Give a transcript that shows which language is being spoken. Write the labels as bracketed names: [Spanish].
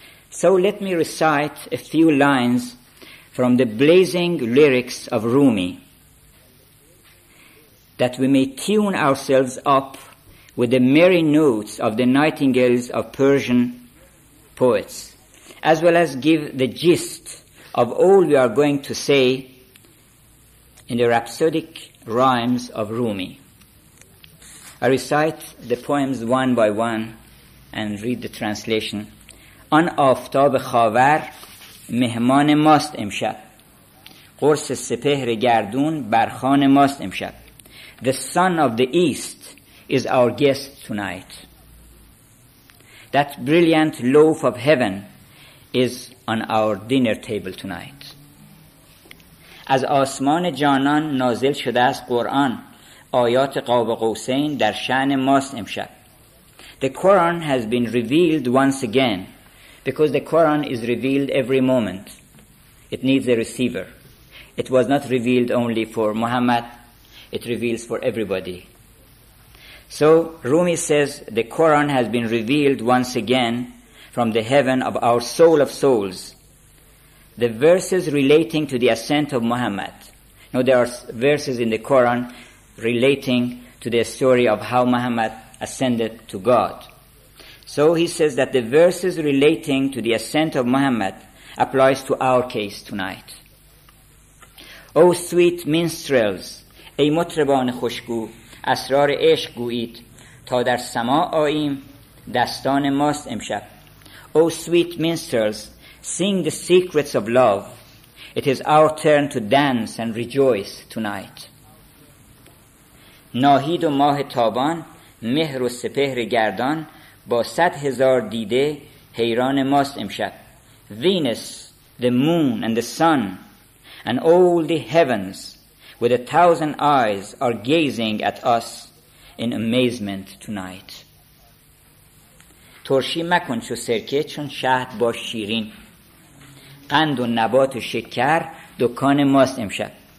[English] So let me recite a few lines from the blazing lyrics of Rumi, that we may tune ourselves up with the merry notes of the nightingales of Persian poets, as well as give the gist of all we are going to say in the rhapsodic rhymes of Rumi. I recite the poems one by one and read the translation. [Persian] آن آفتاب خاور مهمان ماست امشب. قرص سپهر گردون برخان ماست امشب. [English] The sun of the east is our guest tonight. That brilliant loaf of heaven is on our dinner table tonight. [Persian] از آسمان جانان نازل شده است قرآن. آیات قاب قوسین در شأن ماست امشب. [English] The Quran has been revealed once again, because the Quran is revealed every moment. It needs a receiver. It was not revealed only for Muhammad. It reveals for everybody. So Rumi says the Quran has been revealed once again from the heaven of our soul of souls. The verses relating to the ascent of Muhammad. Now there are verses in the Quran relating to the story of how Muhammad ascended to God. So he says that the verses relating to the ascent of Muhammad applies to our case tonight. O sweet minstrels, [Persian] ای مطربان خوشگو، اسرار عشق گویید تا در سماع آییم دستان ماست امشب. [English] O sweet minstrels, sing the secrets of love. It is our turn to dance and rejoice tonight. [Persian] ناهید و ماه تابان، مهر و سپهر گردان، با صد هزار دیده حیران ماست امشب. [English] Venus, the moon and the sun and all the heavens with 1,000 eyes are gazing at us in amazement tonight. [Persian] ترشی مکن چو سرکه چون شهد با شیرین، قند و نبات و شکر دکان ماست امشب.